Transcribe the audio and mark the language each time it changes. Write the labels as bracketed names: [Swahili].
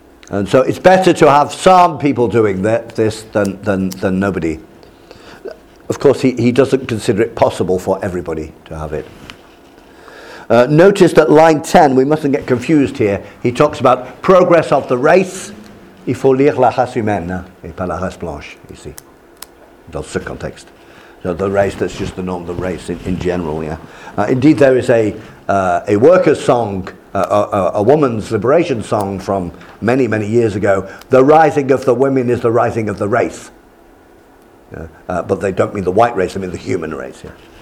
[English] And so it's better to have some people doing this than nobody. Of course, he doesn't consider it possible for everybody to have it. Notice that line 10, we mustn't get confused here, he talks about progress of the race. [French] Il faut lire la race humaine, et pas la race blanche, ici, dans ce contexte. [English] So the race, that's just the norm, the race in general, yeah. Indeed, there is a worker's song, a woman's liberation song from many, many years ago. The rising of the women is the rising of the race. Yeah. But they don't mean the white race, they mean the human race, yeah.